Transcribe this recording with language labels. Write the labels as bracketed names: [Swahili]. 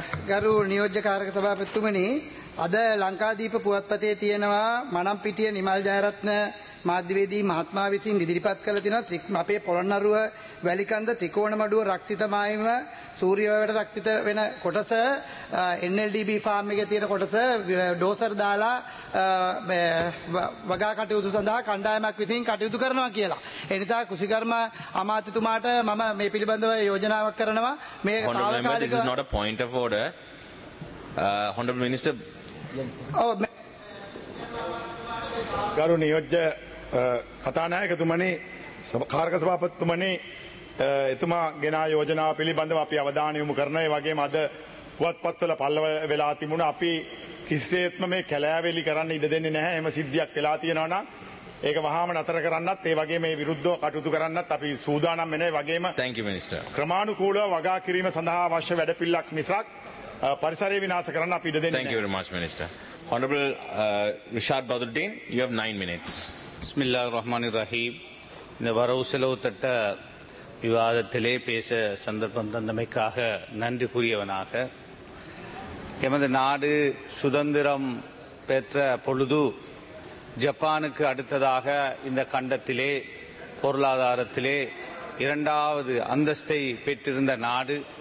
[Sinhala] ගරු නියෝජ්‍ය කාර්යක සභාපතිතුමනි, අද ලංකාදීප පුවත්පතේ තියෙනවා මනම් පිටියේ නිමල් ජයරත්න මාධ්‍යවේදී මහත්මයා විසින් ඉදිරිපත් කළ තියෙනවා අපේ පොළොන්නරුව වැලිකන්ද ත්‍රිකෝණමඩුව රක්ෂිත මායිම සූර්යවැවට රක්ෂිත වෙන කොටස NLDB ෆාම් එකේ තියෙන කොටස ඩෝසර් දාලා වගා කටයුතු සඳහා කණ්ඩායමක් විසින් කටයුතු කරනවා කියලා. ඒ නිසා කෘෂිකර්ම අමාත්‍යතුමාට මම මේ පිළිබඳව යෝජනාවක් කරනවා. මේ තාවකාලික [English] This is not a point of order. Honorable Minister. [Sinhala] ගරු නියෝජ්‍ය කතානායකතුමනි, කාර්ක සභාපතිතුමනි, එතුමා ගෙනා යෝජනාව පිළිබඳව අපි අවධානය යොමු කරන ඒ වගේම අද පුවත්පත්වල පල්ලව වෙලා තිබුණ අපි කිසිසේත්ම මේ කැලෑවෙලි කරන්න ඉඩ දෙන්නේ නැහැ. එහෙම සිද්ධියක් වෙලා තියෙනවා නම් ඒක වහාම නතර කරන්නත් ඒ වගේම මේ විරුද්ධව කටයුතු කරන්නත් අපි සූදානම් වෙනවා. ඒ වගේම [English] Thank you Minister. [Sinhala] ක්‍රමානුකූලව වගා කිරීම සඳහා අවශ්‍ය වැඩපිළික් මිසක් පරිසරය විනාශ කරන්න අපි ඉඩ දෙන්නේ නැහැ. [English] Thank you very much Minister. Honorable Rishad Badruddin, you have 9 minutes. [Arabic] Bismillah ar-Rahman ar-Rahim. [Tamil] இந்த வரவு செலவு திட்ட விவாதத்திலே பேச சந்தர்ப்பம் தந்தமைக்காக நன்றி கூறியவனாக, எமது நாடு சுதந்திரம் பெற்ற பொழுது ஜப்பானுக்கு அடுத்ததாக இந்த கண்டத்திலே பொருளாதாரத்திலே இரண்டாவது அந்தஸ்தை பெற்றிருந்த நாடு,